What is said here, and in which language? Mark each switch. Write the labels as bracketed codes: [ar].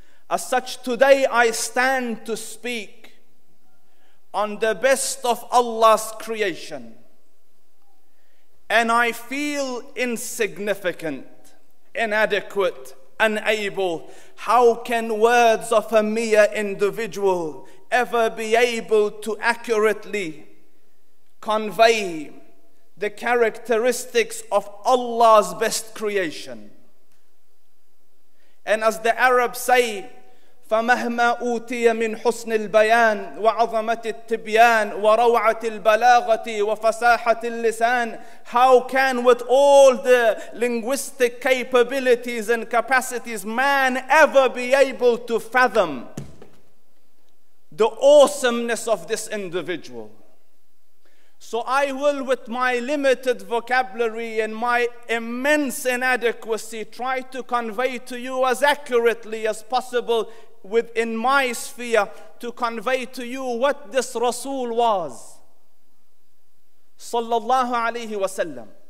[en] As such, today I stand to speak on the best of Allah's creation, and I feel insignificant, inadequate, unable. How can words of a mere individual ever be able to accurately convey the characteristics of Allah's best creation? And as the Arabs say, [ar] فَمَهْمَا أُوْتِيَ مِنْ حُسْنِ الْبَيَانِ وَعَظَمَةِ التِّبْيَانِ وَرَوْعَةِ الْبَلَاغَةِ وَفَسَاحَةِ اللِّسَانِ. [en] How can, with all the linguistic capabilities and capacities, man ever be able to fathom the awesomeness of this individual? So I will, with my limited vocabulary and my immense inadequacy, try to convey to you as accurately as possible within my sphere, to convey to you what this Rasul was, sallallahu alayhi wa sallam.